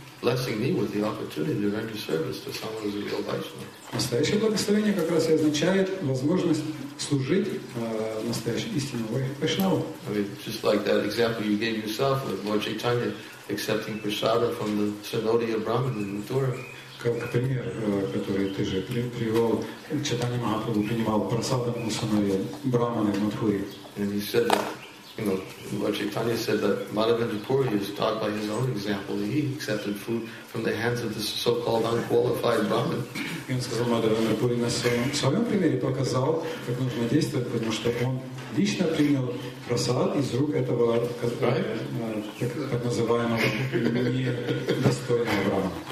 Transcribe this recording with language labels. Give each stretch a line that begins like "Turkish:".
English: Blessing me with the opportunity to render service to someone who's a real Vaishnava.
Russian: Настоящее благословение как раз и означает возможность служить настоящему истинному Вайшнаву.
English: I mean, just like that example you gave yourself with Lord Chaitanya accepting prasada from the Sanodiya Brahman in Mathura.
Russian: Как пример, который ты же привел, Чайтанья Махапрабху принимал прасадам у Сановья Брахмана в Матхуре.
English: And he said that, you know, Lord Chaitanya said that Madhavendra Puri is taught by his own example. He accepted food from the hands of this so-called unqualified Brahman.
Russian: И он сказал, Мадхавендра Пури на своем примере показал, как нужно действовать, потому что он лично принял прасад из рук этого, так называемого, недостойного Брахмана.